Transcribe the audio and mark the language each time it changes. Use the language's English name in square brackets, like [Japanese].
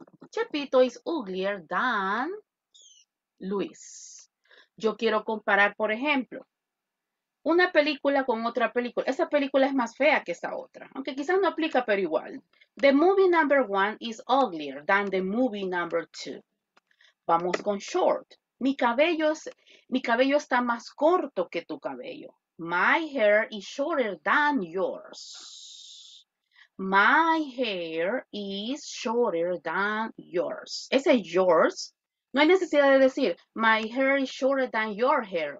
[English] Chepito is uglier than Luis. [Spanish] Yo quiero comparar, por ejemplo, una película con otra película. Esa película es más fea que esa otra. Aunque quizás no aplica, pero igual. [English] The movie number one is uglier than the movie number two. [Spanish] Vamos con short. Mi cabello está más corto que tu cabello. [English] My hair is shorter than yours. My hair is shorter than yours. [Spanish] Ese yours, no hay necesidad de decir [English] my hair is shorter than your hair.